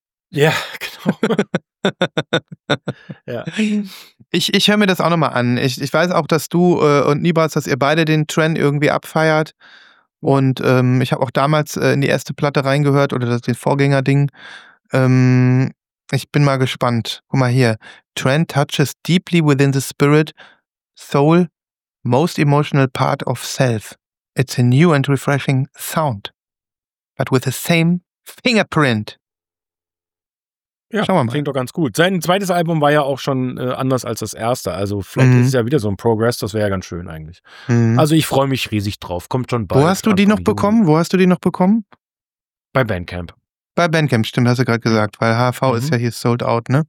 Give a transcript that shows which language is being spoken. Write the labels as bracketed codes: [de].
[de] Ja, genau. Ja. Ich höre mir das auch nochmal an. Ich weiß auch, dass du und Nibas, dass ihr beide den Trend irgendwie abfeiert. Und ich habe auch damals in die erste Platte reingehört oder das Vorgängerding. Ich bin mal gespannt. Guck mal hier. [en] Trent touches deeply within the spirit, soul, most emotional part of self. It's a new and refreshing sound, but with the same fingerprint. [de] Ja, schauen wir mal. Klingt doch ganz gut. Sein zweites Album war ja auch schon anders als das erste. Also vielleicht ist es ja wieder so ein Progress. Das wäre ja ganz schön eigentlich. Mhm. Also ich freue mich riesig drauf. Kommt schon bald. Wo hast du die noch bekommen? Wo hast du die noch bekommen? Bei Bandcamp. Bei Bandcamp, stimmt, hast du gerade gesagt, weil HV ist ja hier sold out, ne?